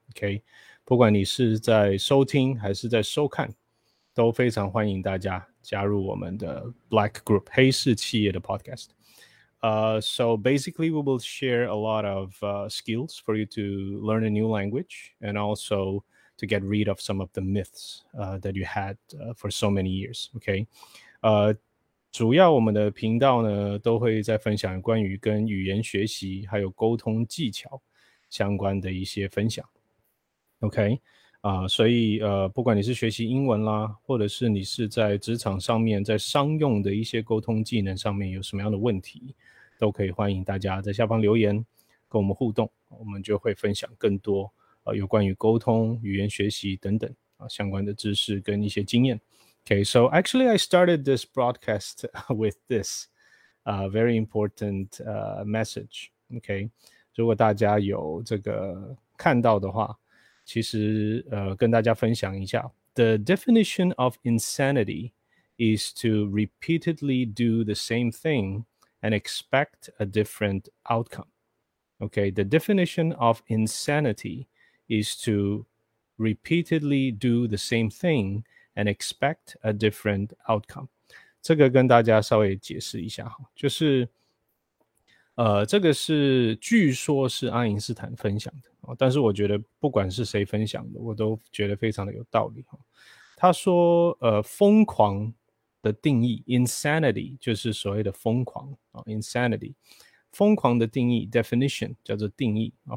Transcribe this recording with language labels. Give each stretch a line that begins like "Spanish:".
Chinese: OK，不管你是在收听还是在收看，都非常欢迎大家加入我们的 Black Group 黑市企业的 podcast。
English: So basically, we will share a lot of skills for you to learn a new language and also to get rid of some of the myths that you had for so many years. Okay.
Chinese: 主要我们的频道呢，都会在分享关于跟语言学习还有沟通技巧相关的一些分享。
English: Okay.
Chinese: 所以不管你是学习英文啦，或者是你是在职场上面，在商用的一些沟通技能上面有什么样的问题？都可以欢迎大家在下方留言，跟我们互动，我们就会分享更多有关于沟通、语言学习等等相关的知识跟一些经验。
English: Okay, so actually, I started this broadcast with this very important message. Okay,
Chinese: 如果大家有这个看到的话，其实跟大家分享一下，
English: The definition of insanity is to repeatedly do the same thing and expect a different outcome. Okay, the definition of insanity is to repeatedly do the same thing and expect a different outcome.
Chinese: 这个跟大家稍微解释一下哈，就是，这个是据说是爱因斯坦分享的，但是我觉得不管是谁分享的，我都觉得非常的有道理哈。他说，疯狂的定义，insanity 就是所谓的疯狂啊，insanity，疯狂的定义，definition 叫做定义啊。